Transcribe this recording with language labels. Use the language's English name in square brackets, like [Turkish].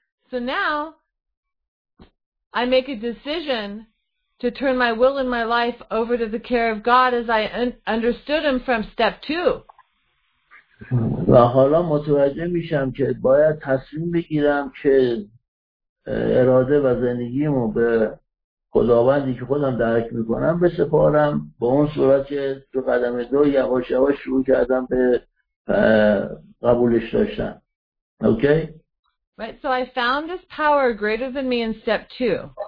[English] So now I make a decision to turn my will and my life over to the care of God as I understood him from step two. [Persian] و حالا متوجه میشم که باید تصمیم بگیرم که اراده و زندگیمو به خداوندی که خودم درک میکنم بسپارم، به اون صورت که تو قدم دو یواش یواش شروع کردم به قبولش داشتن. [English] Okay? Right, so I found this power greater than me in step two.